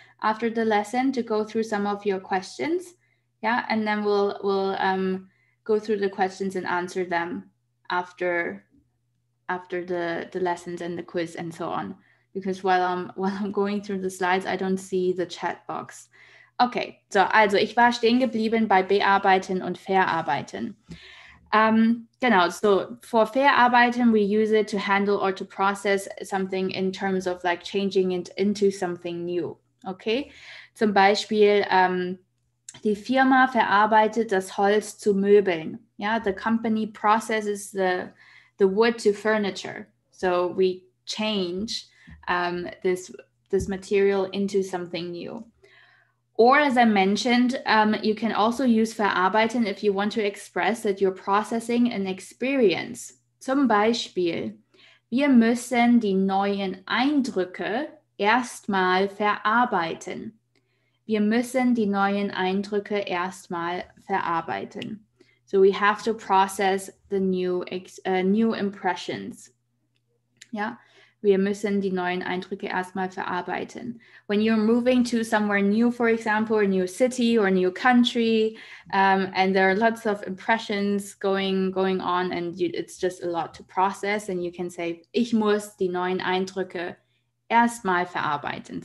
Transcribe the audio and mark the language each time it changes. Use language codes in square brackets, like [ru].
[en] after the lesson to go through some of your questions. Yeah, and then we'll go through the questions and answer them after the lessons and the quiz and so on. Because while I'm going through the slides, I don't see the chat box. Okay, so [de] also ich war stehen geblieben bei bearbeiten und verarbeiten. Genau, [en] so for verarbeiten, we use it to handle or to process something in terms of like changing it into something new. [de] Okay, zum Beispiel, die Firma verarbeitet das Holz zu Möbeln. [en] Yeah, the company processes the wood to furniture. So we change this material into something new. Or as I mentioned, you can also use verarbeiten if you want to express that you're processing an experience. [de] Zum Beispiel, wir müssen die neuen Eindrücke erstmal verarbeiten. Wir müssen die neuen Eindrücke erstmal verarbeiten. [en] So we have to process the new impressions. [de] Yeah. Wir müssen die neuen Eindrücke erstmal verarbeiten. [en] When you're moving to somewhere new, for example, a new city or a new country, and there are lots of impressions going on, and it's just a lot to process, and you can say, [de] ich muss die neuen Eindrücke erstmal verarbeiten.